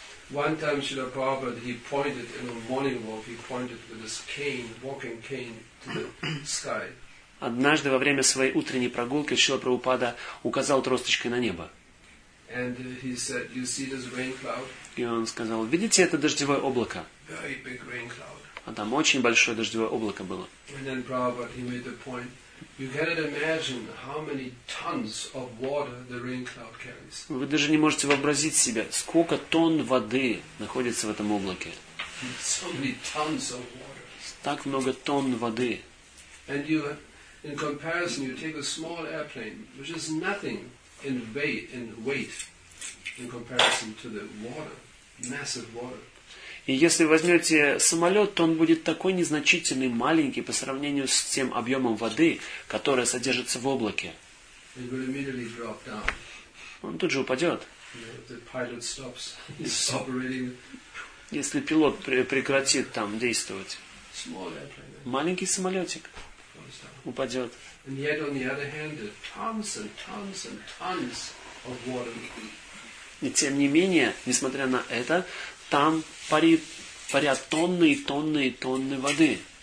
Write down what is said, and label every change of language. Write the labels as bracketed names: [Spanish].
[English] One time Srila Prabhupada, he pointed in a morning walk, he pointed with his cane, walking cane to the sky. [Russian] Однажды во время своей утренней прогулки Шрила Прабхупада указал тросточкой на небо. [English] And he said, you see this rain cloud? [Russian] И он сказал, видите это дождевое облако? [English] Very big rain cloud. [Russian] А там очень большое дождевое облако было. [English] And then Prabhupada, he made the point, you cannot imagine how many tons of water the rain cloud carries. [Russian] Вы даже не можете вообразить себе, сколько тонн воды находится в этом облаке. [English] So many tons of water. [Russian] Так много тонн воды. [English] And you, in comparison, you take a small airplane, which is nothing in weight, in comparison to the water, massive water. [Russian] И если возьмете самолет, то он будет такой незначительный, маленький по сравнению с тем объемом воды, которая содержится в облаке. [English] It will immediately drop down. [Russian] Он тут же упадет. [English] The pilot stops. He's operating. [Russian] Если пилот прекратит там действовать. [English] Small airplane. [Russian] Маленький самолетик. Упадет. [English] And yet, on the other hand, there are tons and tons and tons of water. [Russian] И тем не менее, несмотря на это, там парят тонны и тонны и тонны воды.